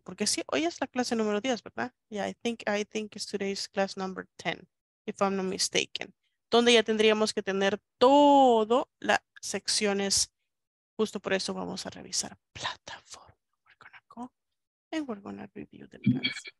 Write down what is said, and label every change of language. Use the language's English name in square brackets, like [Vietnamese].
[Spanish] Porque sí, hoy es la clase número 10, ¿verdad? [English] Yeah, I think it's today's class number 10, if I'm not mistaken. [Spanish] Donde ya tendríamos que tener todo las secciones. Justo por eso vamos a revisar plataforma. [English] We're going to go and we're going to review the class.